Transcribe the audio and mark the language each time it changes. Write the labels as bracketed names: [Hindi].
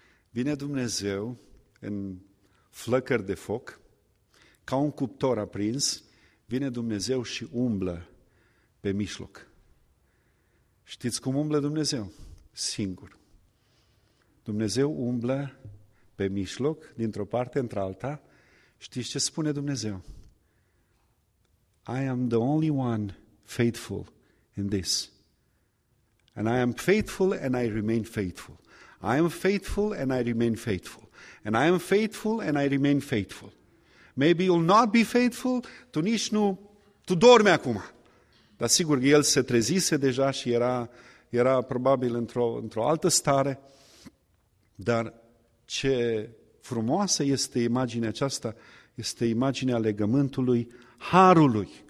[Romanian] Vine Dumnezeu în flăcări de foc, ca un cuptor aprins, vine Dumnezeu și umblă pe mijloc. Știți cum umblă Dumnezeu? Singur. Dumnezeu umblă pe mijloc, dintr-o parte într-alta. Știți ce spune Dumnezeu? [English] I am the only one faithful in this. And I am faithful and I remain faithful. I am faithful and I remain faithful. And I am faithful and I remain faithful. Maybe you'll not be faithful, [Romanian] tu nici nu, tu dormi acum. Dar sigur, el se trezise deja și era probabil într-o altă stare. Dar ce frumoasă este imaginea aceasta, este imaginea legământului harului.